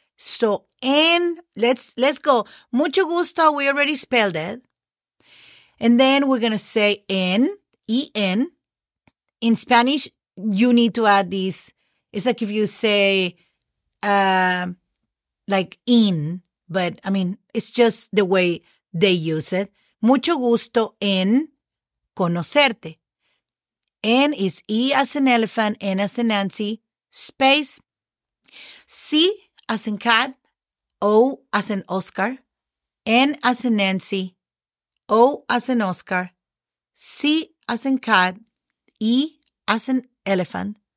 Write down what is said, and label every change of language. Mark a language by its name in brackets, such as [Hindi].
[English] So, and let's go. [Spanish] Mucho gusto, [English] we already spelled it. And then we're going to say en, E-N. In Spanish, you need to add this. It's like if you say... like in, but I mean, it's just the way they use it. [Spanish] Mucho gusto en conocerte. [English] En is E as in elephant, N as in Nancy, space, C as in cat, O as in Oscar, N as in Nancy, O as in Oscar, C as in cat, E as in elephant,